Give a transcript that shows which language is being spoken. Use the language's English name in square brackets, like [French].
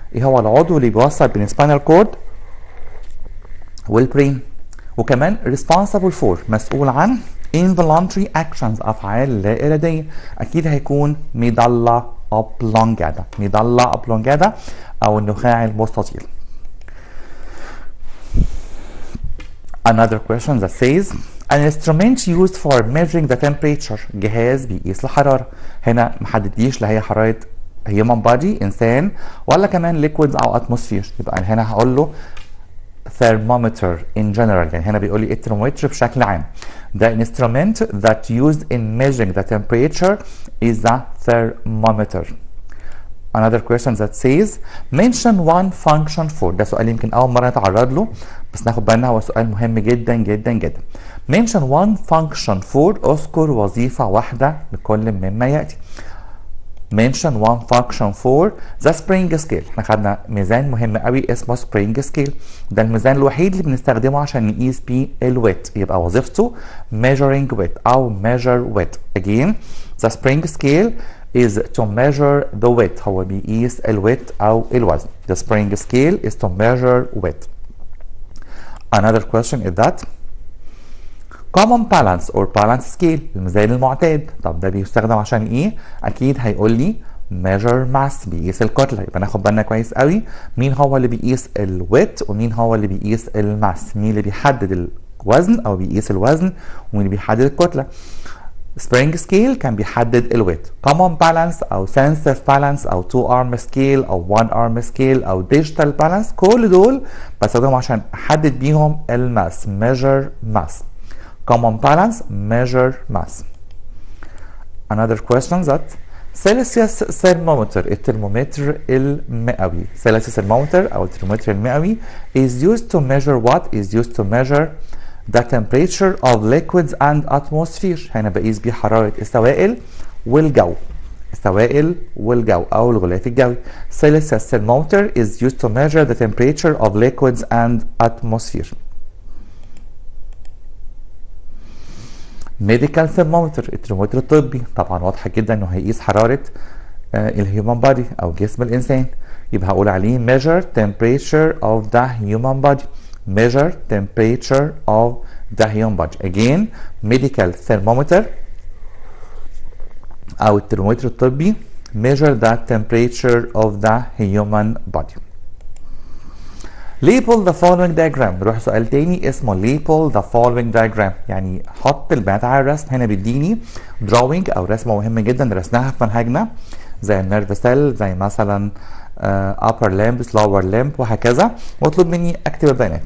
[Arabic] ايه هو العضو اللي بيوصل بين السباينال كورد والبرين، وكمان [English] responsible for، [Arabic] مسؤول عن [English] involuntary actions، [Arabic] افعال لا اراديه؟ اكيد هيكون مدلة أبلونجادا، مدلة أبلونجادا او النخاع المستطيل. [English] Another question that says an instrument used for measuring the temperature، [Arabic] جهاز بيقيس الحراره. هنا محددش لا هي حراره human body انسان ولا كمان liquids او atmosphere. يبقى هنا هقول له thermometer in general، يعني هنا بيقول لي الترمومتر بشكل عام. [English] The instrument that used in measuring the temperature is a thermometer. Another question that says mention one function for، [Arabic] ده سؤال يمكن اول مره نتعرض له بس ناخد بالنا هو سؤال مهم جدا جدا جدا. [English] mention one function for، [Arabic] اذكر وظيفه واحده لكل مما ياتي. [English] mention one function for the spring scale، [Arabic] احنا خدنا ميزان مهم قوي اسمه spring scale، ده الميزان الوحيد اللي بنستخدمه عشان نقيس بيه الويت. يبقى وظيفته [English] measuring weight او measure weight. again the spring scale is to measure the weight، [Arabic] هو بيقيس الويت او الوزن. [English] the spring scale is to measure weight. another question is that common balance or balance scale [Arabic] الميزان المعتاد. طب ده بيستخدم عشان ايه؟ اكيد هيقول لي [English] measure mass [Arabic] بيقيس الكتلة، يبقى ناخد بالنا كويس قوي مين هو اللي بيقيس ال weight ومين هو اللي بيقيس ال mass، مين اللي بيحدد الوزن او بيقيس الوزن ومين اللي بيحدد الكتلة. spring scale كان بيحدد ال weight. [English] common balance او sense of balance او two arm scale او one arm scale او digital balance، [Arabic] كل دول بستخدمهم عشان احدد بيهم ال [English] mass، measure mass. common balance measure mass. another question that celsius thermometer [Arabic] الترمومتر المئوي. [English] celsius thermometer [Arabic] او الترمومتر المئوي [English] is used to measure what is used to measure the temperature of liquids and atmosphere. [Arabic] هنا بقيس بيه حرارة السوائل والجو، السوائل والجو او الغلاف الجوي. [English] celsius thermometer is used to measure the temperature of liquids and atmosphere. [Arabic] medical thermometer الترمومتر الطبي، طبعا واضح جدا انه هيقيس حرارة الهيومن بادي او جسم الانسان، يبقى هقول عليه [English] measure temperature of the human body. measure temperature of the human body. again medical thermometer [Arabic] او الترمومتر الطبي [English] measure the temperature of the human body. label the following diagram. [Arabic] نروح سؤال تاني اسمه [English] label the following diagram، [Arabic] يعني حط البيانات على الرسم. هنا بيديني drawing او رسمه مهمه جدا رسمناها في منهجنا، زي النيرف سيل، زي مثلا upper limb lower limb وهكذا، مطلوب مني اكتب البيانات.